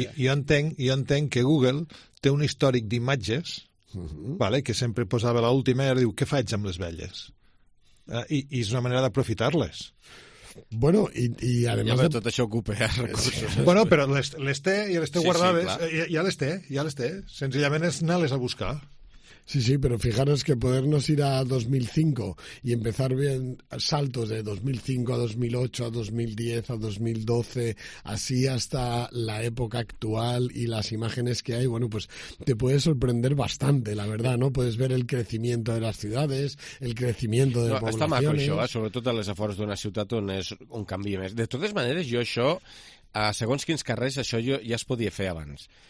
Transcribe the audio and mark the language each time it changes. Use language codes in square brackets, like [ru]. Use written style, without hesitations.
[ca] Jo entenc que Google té un històric d'imatges, uh-huh. Vale, que sempre posava l'última i ara diu, què faig amb les velles? I és una manera d'aprofitar-les. Bueno, i además... Ja, tot això ocupa recursos. Sí. Bueno, però les té, ja les té, sí, guardades. Sí, ja les té. Senzillament és anar-les a buscar. [es] Sí, sí, pero fijaros que podernos ir a 2005 y empezar bien saltos de 2005 a 2008, a 2010, a 2012, así hasta la época actual y las imágenes que hay, bueno, pues te puede sorprender bastante, la verdad, ¿no? Puedes ver el crecimiento de las ciudades, el crecimiento de poblaciones... [ca] Está maco això, sobretot a les afores d'una ciutat on és un canvi més. De totes maneres, jo això, segons quins carrers, això jo ja es podia fer abans.